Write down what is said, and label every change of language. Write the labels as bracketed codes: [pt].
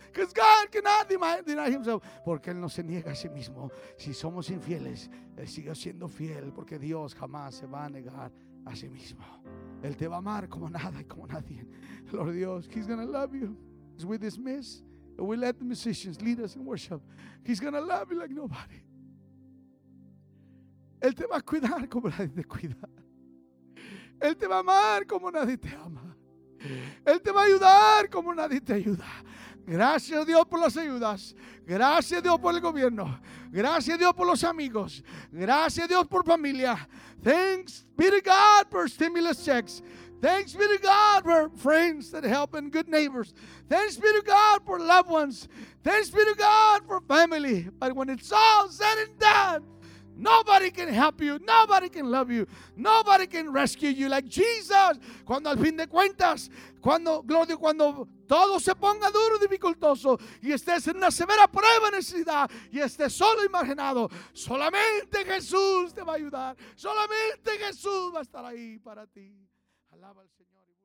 [en] Because God cannot deny himself. [es] Porque él no se niega a sí mismo. Si somos infieles, él sigue siendo fiel. Porque Dios jamás se va a negar a sí mismo. Él te va a amar como nada y como nadie. [en] Lord Dios, he's going to love you. As we dismiss, and we let the musicians lead us in worship, he's going to love you like nobody. [es] Él te va a cuidar como nadie te cuida. Él te va a amar como nadie te ama. Él te va a ayudar como nadie te ayuda. Gracias a Dios por las ayudas. Gracias a Dios por el gobierno. Gracias a Dios por los amigos. Gracias a Dios por familia. [en] Thanks be to God for stimulus checks. Thanks be to God for friends that help and good neighbors. Thanks be to God for loved ones. Thanks be to God for family. But when it's all said and done, nobody can help you. Nobody can love you. Nobody can rescue you like Jesus. [es] Cuando al fin de cuentas, cuando, Gloria, cuando todo se ponga duro y dificultoso y estés en una severa prueba de necesidad y estés solo y marginado, solamente Jesús te va a ayudar. Solamente Jesús va a estar ahí para ti. Alaba al Señor.